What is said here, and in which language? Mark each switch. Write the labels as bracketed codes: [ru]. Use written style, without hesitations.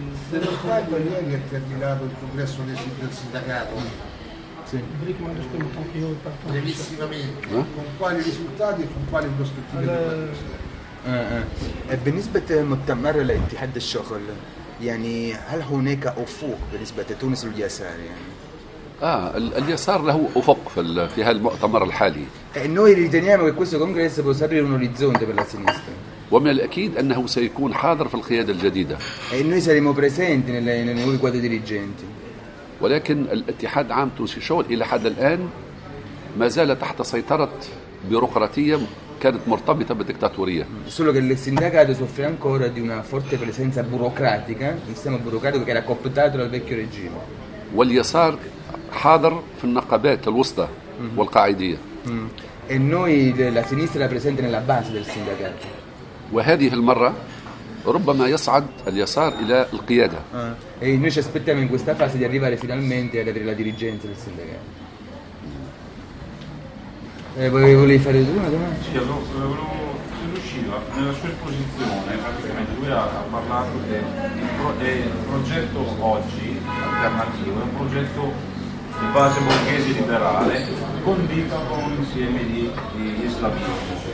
[it] Nello Stato è lei che ha terminato il congresso del sindacato. Brevissimamente. Con quali risultati e con quali prospettive? [ar] بالنسبة للمؤتمر لاتحاد الشغل يعني هل هناك أفق بالنسبة لتونس اليسار يعني؟ اليسار له أفق في هذا المؤتمر الحالي. [it] Noi riteniamo che questo congresso possa aprire un orizzonte per la sinistra. [ar] ومن الأكيد أنه سيكون حاضر في القيادة الجديدة. [it] Noi saremo presenti nei nuovi quadri dirigenti. [ar] ولكن الاتحاد عام تونسي الشغل إلى حد الآن ما زال تحت سيطرة بيروقراطية كانت مرتبطة بالديكتاتورية. [it] Solo che il sindacato soffre ancora di una forte presenza burocratica, un sistema burocratico che era cooptato dal vecchio regime. [ar] واليسار حاضر في النقابات الوسطى والقاعدية. [it] E noi la sinistra presente nella base del sindacato. [ar] وهذه المرة ربما يصعد اليسار إلى القيادة. [it] E noi ci aspettiamo in questa fase di arrivare finalmente ad avere la dirigenza del sindacato. Volevi fare tu una domanda? Sì, allora volevo uscire nella sua esposizione, praticamente lui ha parlato del progetto oggi alternativo, è un progetto di base borghese liberale condito con insieme di islamismo.